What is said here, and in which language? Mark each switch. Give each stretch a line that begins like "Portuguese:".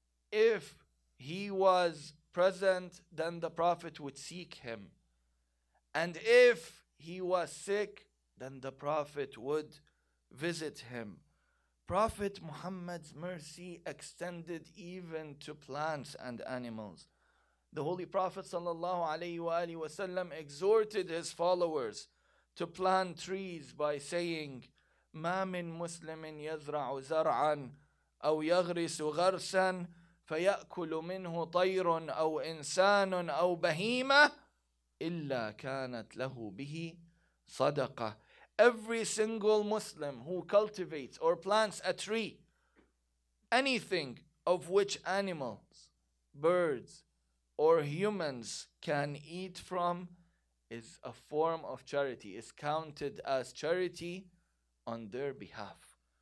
English: If he was present, then the Prophet would seek him. And if he was sick, then the Prophet would visit him. Prophet Muhammad's mercy extended even to plants and animals. The Holy Prophet sallallahu alayhi wa alihi wa sallam exhorted his followers to plant trees by saying,
Arabic: مَا مِن مُسْلِمٍ يَزْرَعُ زَرْعًا أَوْ يَغْرِسُ غَرْسًا فَيَأْكُلُ مِنْهُ طَيْرٌ أَوْ إِنسَانٌ أَوْ بَهِيمَةٌ إِلَّا كَانَتْ لَهُ بِهِ sadaqah.
English: Every single Muslim who cultivates or plants a tree, anything of which animals, birds, or humans can eat from is a form of charity, is counted as charity on their behalf.